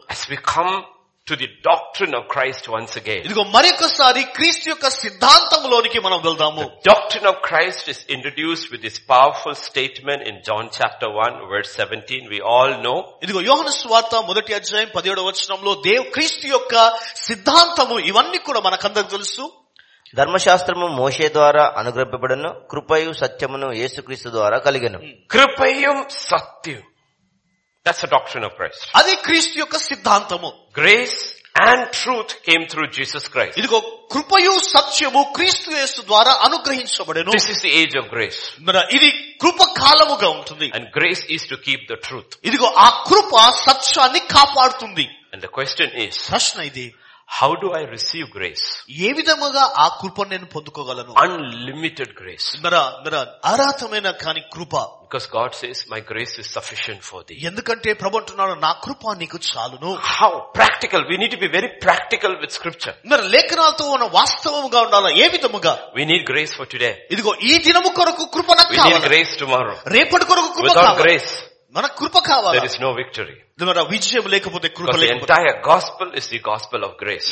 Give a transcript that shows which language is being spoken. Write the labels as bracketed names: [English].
[English] as we come to the doctrine of Christ once again. [Telugu] ఇదిగో మరొకసారి క్రీస్తు యొక్క సిద్ధాంతములోనికి మనం వెళ్దాము. [English] Doctrine of Christ is introduced with this powerful statement in John chapter 1 verse 17. We all know. [Telugu] ఇదిగో యోహాను సువార్త మొదటి అధ్యాయం 17వ వచనంలో దేవుడు క్రీస్తు యొక్క సిద్ధాంతము ఇవన్నీ కూడా మనకందరికీ తెలుసు. ధర్మశాస్త్రము మోషే ద్వారా అనుగ్రహింపబడను, కృపయు సత్యమును యేసుక్రీస్తు ద్వారా కలిగెను. కృపయు సత్యం. [English] That's the doctrine of Christ. [Telugu] అది క్రీస్తు యొక్క సిద్ధాంతము. [English] Grace and truth came through Jesus Christ. [Telugu] ఇదిగో కృపయు సత్యము క్రీస్తు యేసు ద్వారా అనుగ్రహించబడెను. [English] This is the age of grace. [Telugu] మరి ఇది కృప కాలముగా ఉంటుంది. [English] And grace is to keep the truth. [Telugu] ఇదిగో ఆ కృప సత్యాన్ని కాపాడుతుంది. [English] And the question is, [Telugu] ప్రశ్న ఇది, [English] how do I receive grace? [Telugu] ఏ విధముగా ఆ కృప నేను పొందుకోగలను? [English] Unlimited grace. [Telugu] మరి అరాతమైన కాని కృప. [English] Because God says, my grace is sufficient for thee. [Telugu] ఎందుకంటే ప్రభువు అంటున్నాడు నా కృప నీకు చాలును. [English] How practical. We need to be very practical with scripture. [Telugu] మరి లేఖనాలతో ఉన్న వాస్తవముగా ఉండాలి. ఏ విధముగా? [English] We need grace for today. [Telugu] ఇదిగో ఈ దినము కొరకు కృప నాకు కావాలి. [English] We need grace tomorrow. [Telugu] రేపటి కొరకు కృప కావాలి. [English] Without grace. There is no victory. Because the entire gospel is the gospel of grace.